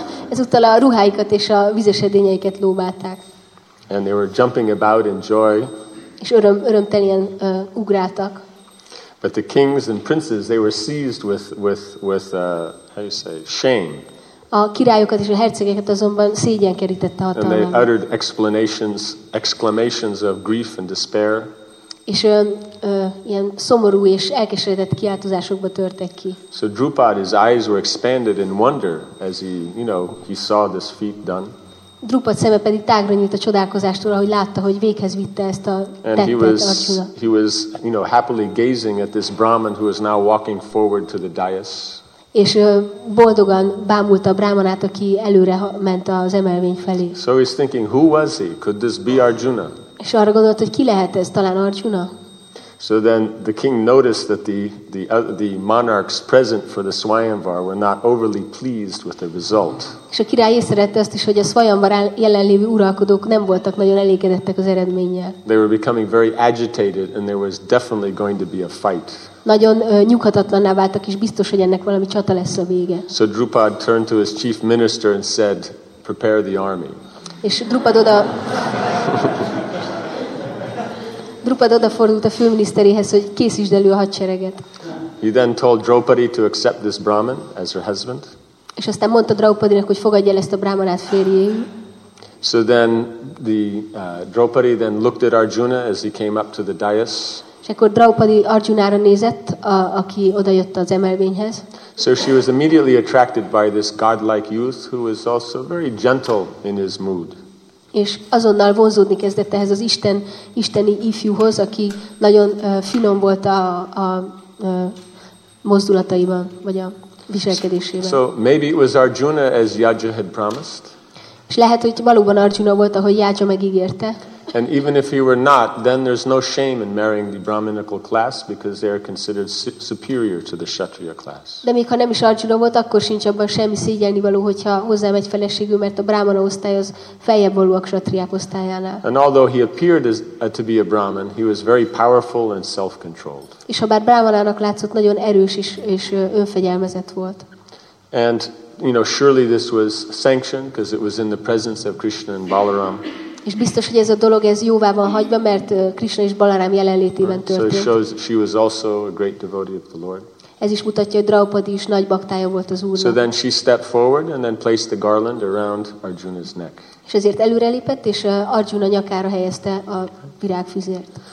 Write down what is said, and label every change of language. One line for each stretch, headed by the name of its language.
Hungarian: Ezúttal a ruháikat és a vizes edényeiket lóbálták.
English: And they were jumping about in joy.
Hungarian: És örömteljen ugráltak.
English: But the kings and princes, they were seized with shame.
Hungarian: A királyokat és a hercegeket azonban szégyen kerítette hatalmam.
English: And they uttered exclamations of grief and despair.
Hungarian: És ilyen szomorú és elkeseredett kiáltozásokba törtek ki.
English: So Drupad, his eyes were expanded in wonder as he saw this feat done.
Hungarian: Drupad szeme pedig tágra nyílt a csodálkozástól, ahogy látta, hogy véghez vitte ezt a tettet.
English: He was happily gazing at this Brahman who is now walking forward to the dais.
Hungarian: És boldogan bámult a brámanát, aki előre ment az emelvény felé.
English: So he's thinking, who was he? Could this be Arjuna?
Hungarian: És arra gondolt, hogy ki lehet ez, talán Arjuna?
English: So then the king noticed that the monarchs present for the Swayamvar were not overly pleased with the result.
Hungarian: És a király észrevette azt is, hogy a Swayamvar jelenlévő uralkodók nem voltak nagyon elégedettek az eredménnyel.
English: They were becoming very agitated and there was definitely going to be a fight.
Hungarian: Nagyon nyughatatlanná váltak, és biztos, hogy ennek valami csata lesz a vége.
English: So Drupad turned to his chief minister and said, prepare the army.
Hungarian: És Drupad odafordult a főminiszteréhez, hogy készítsd elő a hadsereget.
English: He then told Draupadi to accept this Brahmin as her husband.
Hungarian: És aztán mondta Draupadinak, hogy fogadja el ezt a brahmanát férjéül.
English: So then Draupadi then looked at Arjuna as he came up to the dais.
Hungarian: És akkor Draupadi Arjunára nézett, aki odajött az emelvényhez.
English: So she was immediately attracted by this godlike youth who was also very gentle in his mood.
Hungarian: És azonnal vonzódni kezdett ehhez az isteni ifjúhoz, aki nagyon finom volt a mozdulataiban, vagy a viselkedésében.
English: So maybe it was Arjuna as Yajna had promised.
Hungarian: És lehet, hogy valóban Arjuna volt, ahogy Yajna megígérte.
English: And even if he were not, then there's no shame in marrying the brahminical class because they are considered superior to the kshatriya class.
Hungarian: De még ha nem is Arjuna volt, akkor sincs abban semmi szégyellnivaló, hogyha hozzámegy feleségül, mert a brahmana osztály az feljebb való a kshatriák osztályánál.
English: And although he appeared to be a brahman, he was very powerful and self-controlled.
Hungarian: És habár brahmanának látszott, nagyon erős és önfegyelmezett volt.
English: And surely this was sanctioned because it was in the presence of Krishna and Balaram.
Hungarian: És biztos, hogy ez a dolog ez jóvá van hagyva, mert Krishna és Balaram jelenlétében történt.
English: So shows she was also a great devotee of the Lord.
Hungarian: Ez is mutatja, hogy Draupadi is nagy baktája volt az Úrnak.
English: So then she stepped forward and then placed the garland around Arjuna's neck.
Hungarian: És ezért előrelépett és Arjuna nyakára helyezte a virágfüzért.